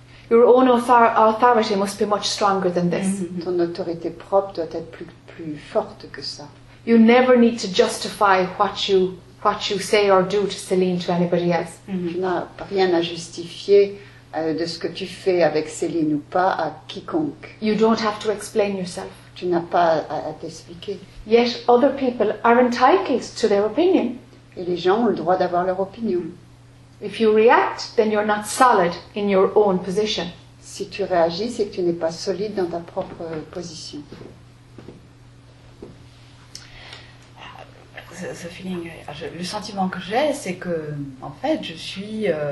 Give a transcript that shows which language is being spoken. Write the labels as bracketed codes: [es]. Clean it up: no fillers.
[en] Your own authority must be much stronger than this. [fr] Ton autorité propre doit être plus forte que ça. [en] You never need to justify what you say or do to Céline to anybody else. [fr] Tu n'as rien à justifier de ce que tu fais avec Céline ou pas à quiconque. [en] You don't have to explain yourself. [fr] Tu n'as pas à t'expliquer. [en] Yet other people are entitled to their opinion. [fr] Et les gens ont le droit d'avoir leur opinion. [en] If you react, then you're not solid in your own position. [fr] Si tu réagis, c'est que tu n'es pas solide dans ta propre position. Ce feeling, le sentiment que j'ai, c'est que, en fait, je suis...